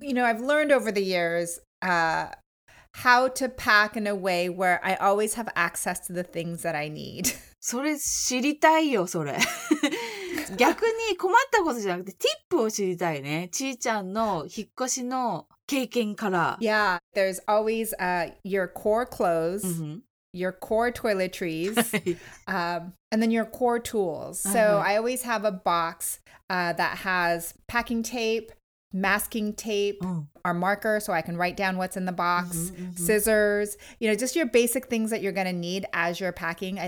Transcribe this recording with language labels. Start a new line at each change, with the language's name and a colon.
English: You know, I've learned over the years, how to pack in a way where I always have access to the things that I need.
Japanese: それ知りたいよ、それ。逆に困ったことじゃなくて、ティップを知りたいね。ちーちゃんの引っ越しの経験から。
English: Yeah, there's always your core clothes, your core toiletries, and then your core tools. So I always have a box that has packing tape, masking tape, our marker so I can write down what's in the box, scissors, you know, just your basic things that you're going to need as you're packing.